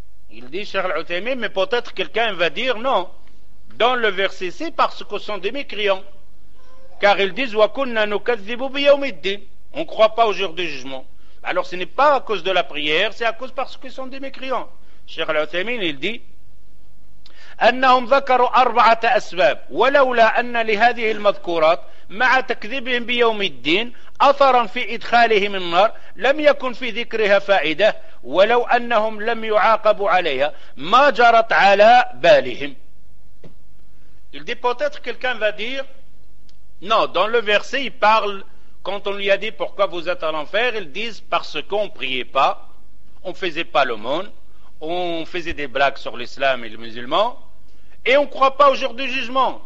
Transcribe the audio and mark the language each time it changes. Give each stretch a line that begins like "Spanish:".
French: Il dit Cheikh Al-Othaymin, mais peut-être quelqu'un va dire non dans le verset c'est parce que sont des mécréants, car ils disent wa kunna nukadhibu biyawm ad-din, on ne croit pas au jour du jugement. Alors ce n'est pas à cause de la prière, c'est à cause parce qu'ils sont des mécréants. Cheikh Al-Othaymin il dit
Arabic: أنهم ذكروا أربعة أسباب ولولا أن لهذه المذكورات مع تكذيبهم بيوم الدين أثرا في إدخالهم النار لم يكن في ذكرها فائدة ولو أنهم لم يعاقبوا عليها ما جرت على بالهم.
French: Il dit peut-être quelqu'un va dire non, dans le verset il parle quand on lui a dit pourquoi vous êtes à l'enfer, ils disent parce qu'on priait pas, on faisait pas le monde, on faisait des blagues sur l'islam et les musulmans, et on ne croit pas au jour du jugement.